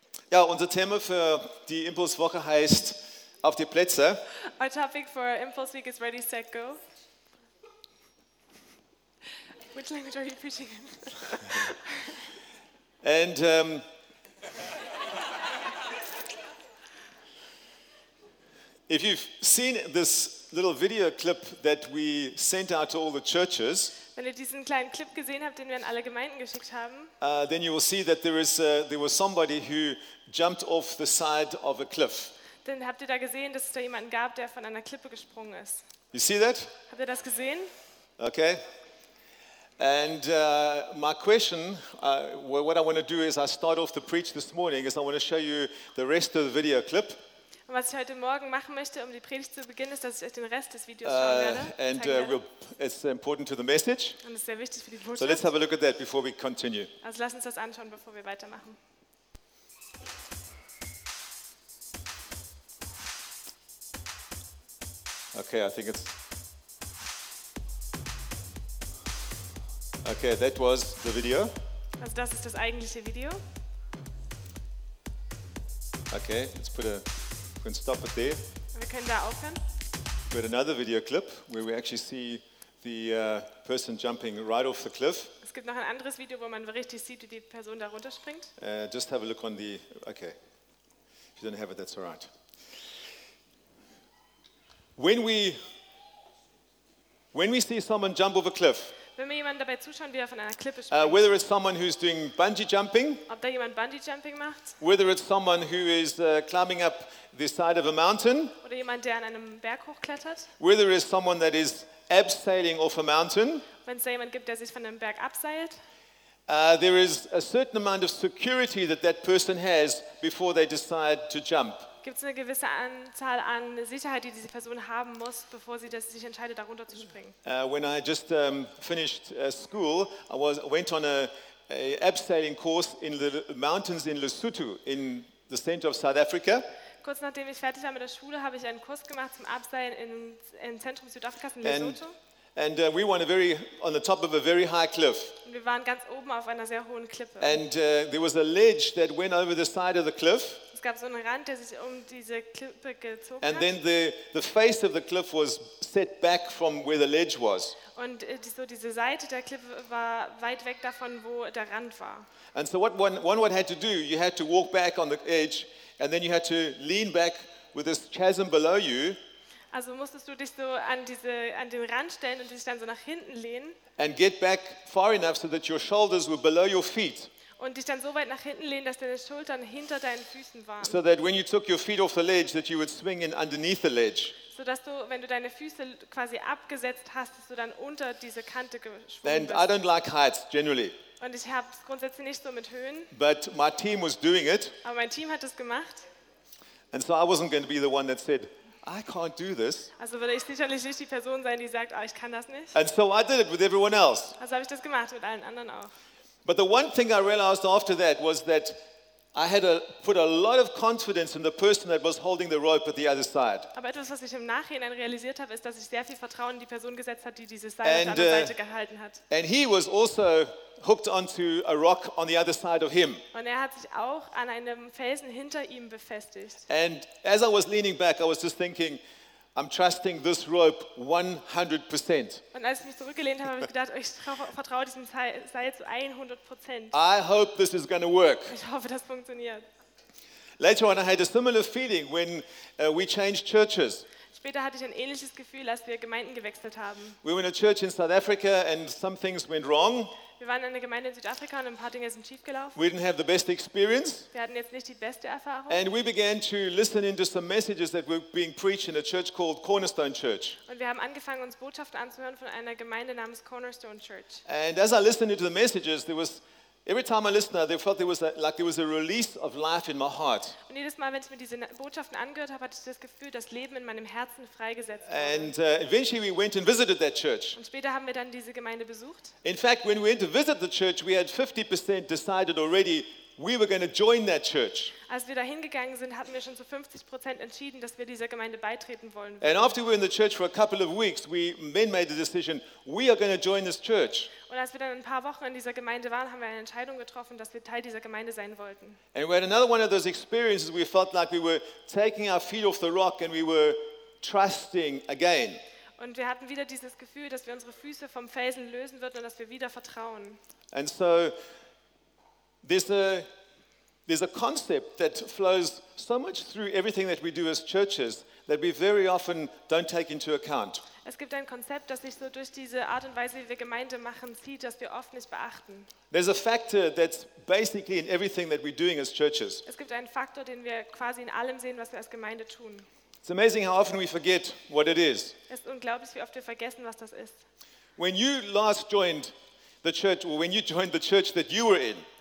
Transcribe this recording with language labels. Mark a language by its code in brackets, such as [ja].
[de] Ja, unser Thema für die Impulswoche heißt auf die Plätze. [en] Our topic for Impulse Week is Ready, Set, Go. Which language are you preaching in? And if you've seen this little video clip that we sent out to all the churches, [de] wenn ihr diesen kleinen Clip gesehen habt, den wir an alle Gemeinden geschickt haben, [en] then you will see that there was somebody who jumped off the side of a cliff. [de] Dann habt ihr da gesehen, dass es da jemanden gab, der von einer Klippe gesprungen ist. [en] You see that? [de] Habt ihr das gesehen? [en] Okay. And my question, what I want to do is I start off the preach this morning is I want to show you the rest of the video clip. [de] Und was ich heute Morgen machen möchte, um die Predigt zu beginnen, ist, dass ich euch den Rest des Videos schauen werde. [en] It's important to the message. [de] Und es ist sehr wichtig für die Botschaft. [en] So let's have a look at that before we continue. [de] Also lass uns das anschauen, bevor wir weitermachen. [en] Okay, I think it's... Okay, that was the video. [de] Also das ist das eigentliche Video. [en] Okay, let's put a... We can stop it there. [de] Wir können da aufhören. [en] We had another video clip where we actually see the person jumping right off the cliff. [de] Es gibt noch ein anderes Video, wo man richtig sieht, wie die Person da runterspringt. [en] Just have a look on the... Okay. If you don't have it, that's all right. When we see someone jump off a cliff, [de] wenn mir jemand dabei zuschaut, wie er von einer Klippe springt, [en] whether it's someone who's doing bungee jumping, [de] ob da jemand bungee jumping macht, [en] whether it's someone who is climbing up the side of a mountain, [de] oder jemand, der an einem Berg hochklettert, [en] whether it's someone that is abseiling off a mountain, [de] wenn es da jemand gibt, der sich von einem Berg abseilt, [en] there is a certain amount of security that that person has before they decide to jump. [de] Gibt es eine gewisse Anzahl an Sicherheit, die diese Person haben muss, bevor sie sich entscheidet, darunter zu springen? [en] When I just finished school, I went on a abseiling course in the mountains in Lesotho, in the center of South Africa. [de] Kurz nachdem ich fertig war mit der Schule, habe ich einen Kurs gemacht zum Abseilen im Zentrum Südafrikas in Lesotho. [en] And we were on the top of a very high cliff. [de] Wir waren ganz oben auf einer sehr hohen Klippe. [en] And there was a ledge that went over the side of the cliff. [de] Es gab so einen Rand, der sich um diese Klippe gezogen hat. [en] And then the face of the cliff was set back from where the ledge was. [de] Und so diese Seite der Klippe war weit weg davon, wo der Rand war. [en] And so what one had to do, you had to walk back on the edge, and then you had to lean back with this chasm below you. [de] Also musstest du dich so an den Rand stellen und dich dann so nach hinten lehnen. [en] And get back far enough so that your shoulders were below your feet. [de] Und dich dann so weit nach hinten lehnen, dass deine Schultern hinter deinen Füßen waren. [en] So that when you took your feet off the ledge, that you would swing in underneath the ledge. [de] So dass du, wenn du deine Füße quasi abgesetzt hast, dass du dann unter diese Kante geschwungen bist. [en] And I don't like heights generally. [de] Und ich habe es grundsätzlich nicht so mit Höhen. [en] But my team was doing it. [de] Aber mein Team hat es gemacht. [en] And so I wasn't going to be the one that said, I can't do this. [de] Also würde ich sicherlich nicht die Person sein, die sagt, oh, ich kann das nicht. [en] And so I did it with everyone else. [de] Also habe ich das gemacht mit allen anderen auch. [en] But the one thing I realized after that was that I had put a lot of confidence in the person that was holding the rope at the other side. [de] Aber etwas, was ich im Nachhinein realisiert habe, ist, dass ich sehr viel Vertrauen in die Person gesetzt hat, die dieses Seil auf der anderen Seite gehalten hat. [en] And he was also hooked onto a rock on the other side of him. [de] Und er hat sich auch an einem Felsen hinter ihm befestigt. [en] And as I was leaning back, I was just thinking, I'm trusting this rope 100%. [de] Und als ich mich zurückgelehnt habe, habe ich gedacht, ich vertraue diesem Seil zu 100%. [en] I hope this is going to work. [de] Ich hoffe, das funktioniert. [en] Later on, I had a similar feeling when we changed churches. [de] Später hatte ich ein ähnliches Gefühl, als wir Gemeinden gewechselt haben. [en] We were in a church in South Africa and some things went wrong. [de] Wir waren in einer Gemeinde in Südafrika und ein paar Dinge sind schief gelaufen. [en] We didn't have the best experience. [de] Wir hatten jetzt nicht die beste Erfahrung. [en] And we began to listen into some messages that were being preached in a church called Cornerstone Church. [de] Und wir haben angefangen, uns Botschaften anzuhören von einer Gemeinde namens Cornerstone Church. [en] And as I listened into the messages, there was every time I listened, I felt there was a release of life in my heart. [de] Und jedes Mal, wenn ich mir diese Botschaften angehört habe, hatte ich das Gefühl, dass Leben in meinem Herzen freigesetzt wurde. [en] And eventually we went and visited that church. [de] Und später haben wir dann diese Gemeinde besucht. [en] In fact, when we went to visit the church, we had 50% decided already we were going to join that church. [de] Als wir da hingegangen sind, hatten wir schon zu 50% entschieden, dass wir dieser Gemeinde beitreten wollen. [en] And after we were in the church for a couple of weeks, we men made the decision, we are going to join this church. [de] Und als wir dann ein paar Wochen in dieser Gemeinde waren, haben wir eine Entscheidung getroffen, dass wir Teil dieser Gemeinde sein wollten. [en] And we had another one of those experiences where we felt like we were taking our feet off the rock and we were trusting again. [de] Und wir hatten wieder dieses Gefühl, dass wir unsere Füße vom Felsen lösen würden und dass wir wieder vertrauen. [en] And so there's a concept that flows so much through everything that we do as churches that we very often don't take into account. [de] Es gibt ein Konzept, das sich so durch diese Art und Weise, wie wir Gemeinde machen, zieht, das wir oft nicht beachten. [en] There's a factor that's basically in everything that we're doing as churches. [de] Es gibt einen Faktor, den wir quasi in allem sehen, was wir als Gemeinde tun. [en] It's amazing how often we forget what it is. [de] Es ist unglaublich, wie oft wir vergessen, was das ist. [en] When you last joined the church, or when you joined the church that you were in,